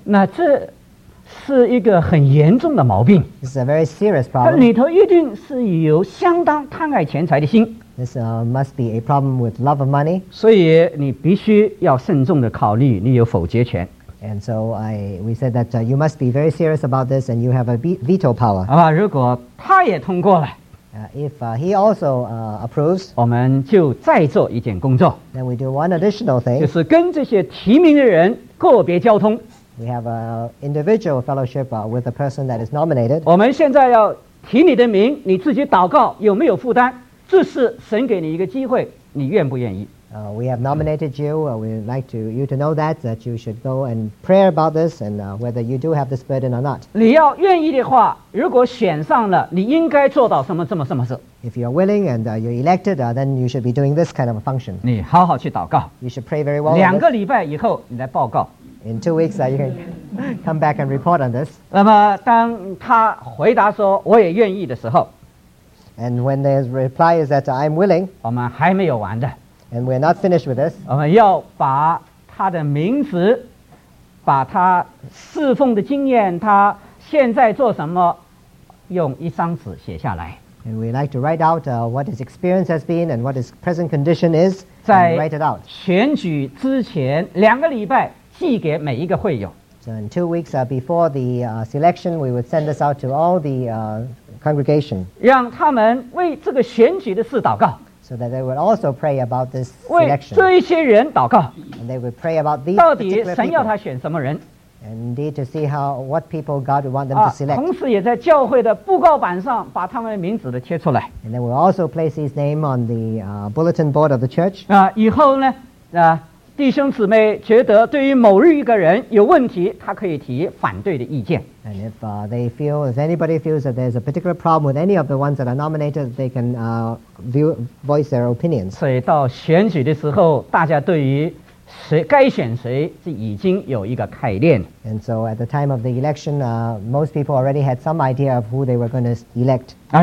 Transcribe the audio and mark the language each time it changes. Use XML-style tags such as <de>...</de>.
<zh>那这是一个很严重的毛病.</zh> <en>This is a very serious problem.</en> <zh>它里头一定是有相当贪爱钱财的心.</zh> <en>This must be a problem with love of money.</en> <zh>所以你必须要慎重地考虑你有否决权.</zh> <en>And so we said that you must be very serious about this and you have a veto power.</en> <zh>好吧,如果他也通过了,</zh> <en>if he also approves,</en> <zh>我们就再做一件工作,</zh> <en>then we do one additional thing.</en> <zh>就是跟这些提名的人个别交通,</zh> <en>we have an individual fellowship with the person that is nominated.</en> <zh>我们现在要提你的名, 你自己祷告, 有没有负担? 这是神给你一个机会, 你愿不愿意?</zh> <en>We have nominated you. We'd like you to know that you should go and pray about this and whether you do have this burden or not.</en> <zh>你要愿意的话, 如果选上了, 你应该做到什么什么什么事?</zh> <en>If you're willing and you're elected, then you should be doing this kind of a function.</en> <zh>你好好去祷告,</zh> <en>you should pray very well.</en> <zh>两个礼拜以后你来报告,</zh> <en>in 2 weeks, you can come back and report on this.</en> <zh>那么当他回答说我也愿意的时候,</zh> <en>and when the reply is that I'm willing,</en> <zh>我们还没有完的,</zh> <en>and we're not finished with this,</en> <zh>我们要把他的名字, 把他侍奉的经验, 他现在做什么, 用一张纸写下来,</zh> <en>and we'd like to write out what his experience has been and what his present condition is, and write it out.</en> <zh>在选举之前, 两个礼拜, 寄给每一个会友,</zh> <en>so in 2 weeks before the selection, we would send this out to all the congregation,</en> <zh>让他们为这个选举的事祷告,</zh> <en>so that they would also pray about this selection,</en> <zh>为这一些人祷告,</zh> <en>and they would pray about these particular people,</en> <zh>到底神要他选什么人,</zh> <en>and indeed to see what people God would want them to select,</en> <zh>同时也在教会的布告板上把他们的名字都贴出来,</zh> <en>and they will also place his name on the bulletin board of the church,</en> <zh>以后呢, 弟兄姊妹觉得对于某日一个人有问题, 他可以提反对的意见,</zh> <en>and if if anybody feels that there's a particular problem with any of the ones that are nominated, they can voice their opinions.</en> <zh>所以到选举的时候, 大家对于谁该选谁是已经有一个概念,</zh> <en>and so at the time of the election, most people already had some idea of who they were going to elect,</en>